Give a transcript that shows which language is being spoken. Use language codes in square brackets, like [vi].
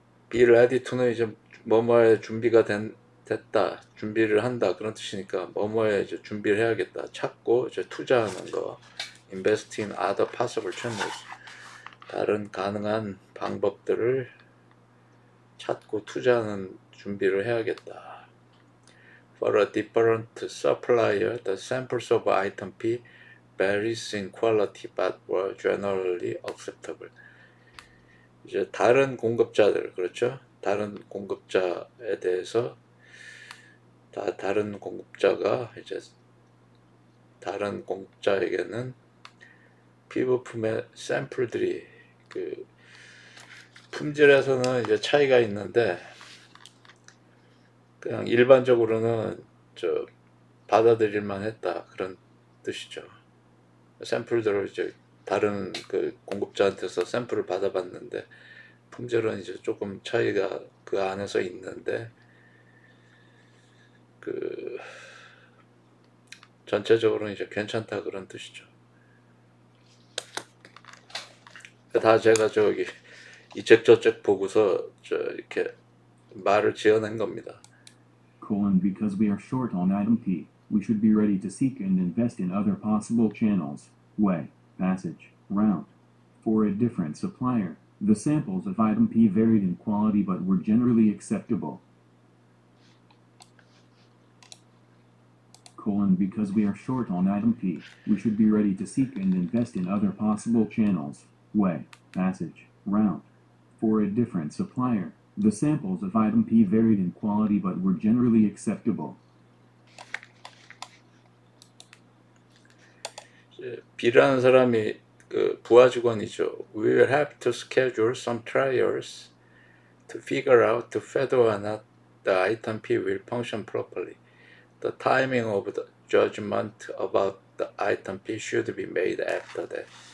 [en] Be ready to [ko] 는 이제 뭐뭐에 준비가 됐다, 준비를 한다 그런 뜻이니까 뭐뭐에 이제 준비를 해야겠다, 찾고 이제 투자하는 거. [en] Invest in other possible channels. [ko] 다른 가능한 방법들을 찾고 투자하는 준비를 해야겠다. [en] For a different supplier, the samples of item P varies in quality but were generally acceptable. [ko] 이제 다른 공급자들, 그렇죠? 다른 공급자에 대해서 다 다른 공급자가 이제 다른 공급자에게는 P 부품의 샘플들이 그 품질에서는 이제 차이가 있는데 그냥 일반적으로는 저 받아들일만 했다 그런 뜻이죠. 샘플들을 이제 다른 그 공급자한테서 샘플을 받아봤는데 품질은 이제 조금 차이가 그 안에서 있는데 그 전체적으로는 이제 괜찮다 그런 뜻이죠. 다 제가 저기 이책 저책 보고서 저 이렇게 말을 지어낸 겁니다. [en] Because we are short on item P, we should be ready to seek and invest in other possible channels, way, passage, route. For a different supplier, the samples of item P varied in quality but were generally acceptable. Because we are short on item P, we should be ready to seek and invest in other possible channels, way, passage, route. For a different supplier, the samples of item P varied in quality but were generally acceptable. [ko] B라는 사람이 그 부하 직원이죠. [en] We will have to schedule some trials to figure out whether or not the item P will function properly. The timing of the judgment about the item P should be made after that.